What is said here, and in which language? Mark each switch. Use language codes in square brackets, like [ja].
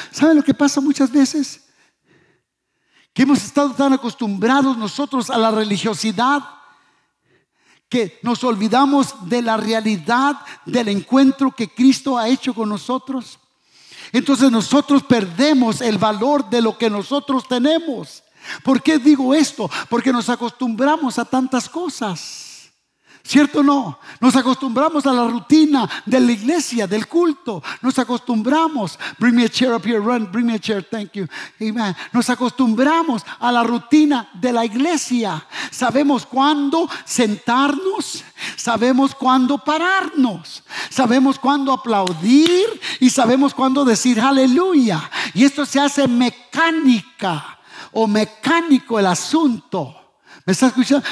[es] ¿Saben lo que pasa muchas veces? Que hemos estado tan acostumbrados nosotros a la religiosidad que nos olvidamos de la realidad del encuentro que Cristo ha hecho con nosotros. Entonces nosotros perdemos el valor de lo que nosotros tenemos. ¿Por qué digo esto? Porque nos acostumbramos a tantas cosas. ¿Cierto o no? Nos acostumbramos a la rutina de la iglesia, del culto. Nos acostumbramos. [en] Bring me a chair up here, run, bring me a chair, thank you. Amen. [es] Nos acostumbramos a la rutina de la iglesia. Sabemos cuándo sentarnos, sabemos cuándo pararnos, sabemos cuándo aplaudir y sabemos cuándo decir aleluya. Y esto se hace mecánica o mecánico el asunto. ¿Me está escuchando?